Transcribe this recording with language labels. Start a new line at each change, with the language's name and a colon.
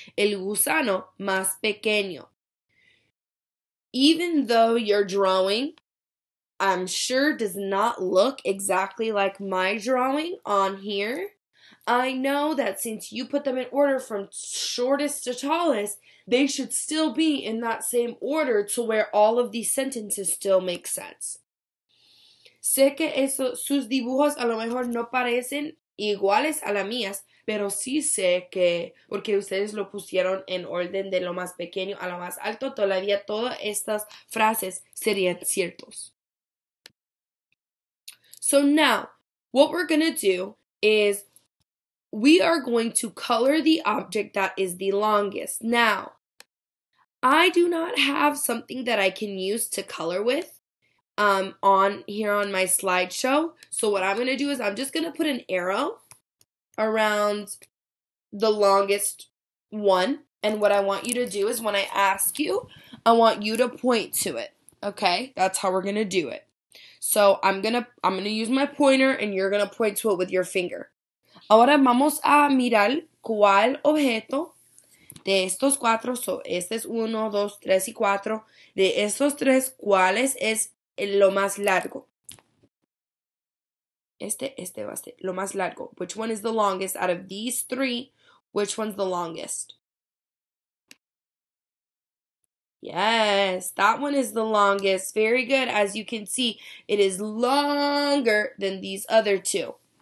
Spanish: El gusano más pequeño.
English: Even though your drawing, I'm sure, does not look exactly like my drawing on here, I know that since you put them in order from shortest to tallest, they should still be in that same order to where all of these sentences still make sense.
Spanish: Sé que eso, sus dibujos a lo mejor no parecen iguales a las mías, pero sí sé que porque ustedes lo pusieron en orden de lo más pequeño a lo más alto, todavía todas estas frases serían ciertos.
English: So now, what we're going to do is we are going to color the object that is the longest. Now, I do not have something that I can use to color with. On here on my slideshow. So what I'm going to do is I'm just going to put an arrow around the longest one. And what I want you to do is when I ask you, I want you to point to it. Okay, that's how we're going to do it. So I'm going to use my pointer and you're going to point to it with your finger.
Spanish: Ahora vamos a mirar cuál objeto de estos cuatro.
English: So
Spanish: este es uno, dos, tres y cuatro. De estos tres, ¿cuáles es lo más largo? Este va a ser lo más largo.
English: Which one is the longest out of these three? Which one's the longest? Yes, that one is the longest. Very good. As you can see, it is longer than these other two.